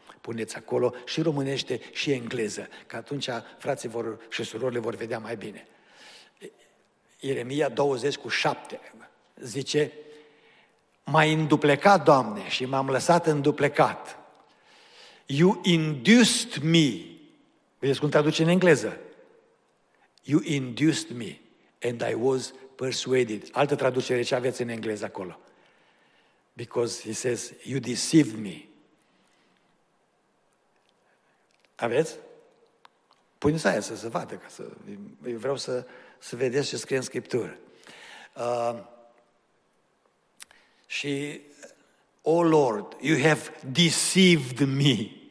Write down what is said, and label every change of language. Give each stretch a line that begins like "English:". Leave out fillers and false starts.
Romanian: Puneți acolo și românește și engleză, că atunci frații vor, și surorile vor vedea mai bine. Ieremia 20 cu 7 zice, m-ai înduplecat, Doamne, și m-am lăsat înduplecat.
English: You induced me.
Romanian: Vedeți cum traduce în engleză?
English: You induced me and I was persuaded.
Romanian: Altă traducere, ce aveți în engleză acolo?
English: Because he says, you deceived me.
Romanian: Aveți? Puneți aia să se vadă, ca să, eu vreau să vedeți ce scrie în Scriptură.
English: Și, oh Lord, you have deceived me.